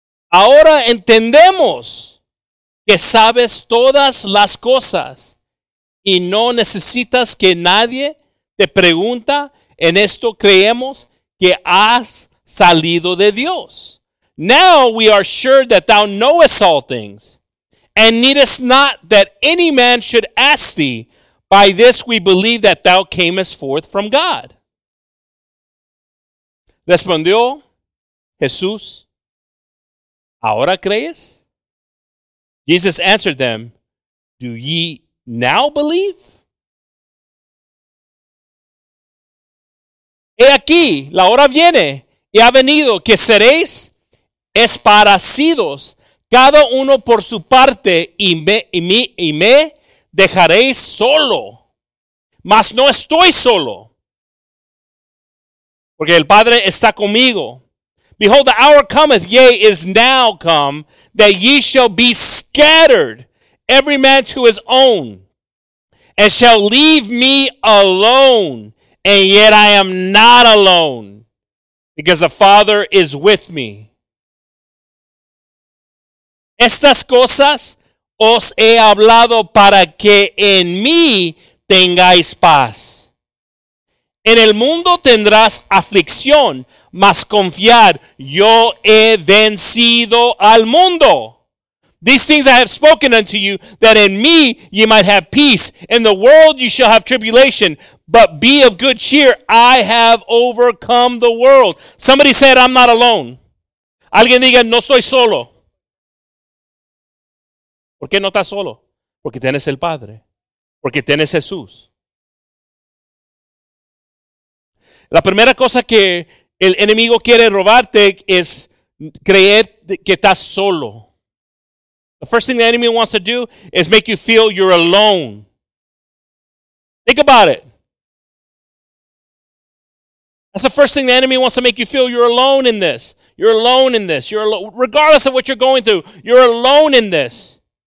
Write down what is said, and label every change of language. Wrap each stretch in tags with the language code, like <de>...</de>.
<es>Ahora entendemos que sabes todas las cosas, y no necesitas que nadie te pregunta. En esto creemos que has salido de Dios.</es> <en>Now we are sure that thou knowest all things, and needest not that any man should ask thee. By this we believe that thou camest forth from God.</en> <es>Respondió Jesús, ¿ahora crees?</es> <en>Jesus answered them, do ye now believe?</en> <es>He aquí, la hora viene, y ha venido, que seréis esparcidos, cada uno por su parte, y me dejaréis solo. Mas no estoy solo, porque el Padre está conmigo.</es> <en>Behold, the hour cometh, yea, is now come, that ye shall be scattered, every man to his own, and shall leave me alone. And yet I am not alone, because the Father is with me.</en> <es>Estas cosas os he hablado para que en mí tengáis paz. En el mundo tendrás aflicción, mas confiad, yo he vencido al mundo.</es> <en>These things I have spoken unto you, that in me ye might have peace. In the world you shall have tribulation, but be of good cheer. I have overcome the world. Somebody said, I'm not alone.</en> <es>Alguien diga, no estoy solo. ¿Por qué no estás solo? Porque tienes el Padre. Porque tienes Jesús. La primera cosa que el enemigo quiere robarte es creer que estás solo.</es> <en>The first thing the enemy wants to do is make you feel you're alone. Think about it. That's the first thing the enemy wants to make you feel. You're alone in this. You're alone in this. You're alone. Regardless of what you're going through, you're alone in this.</en>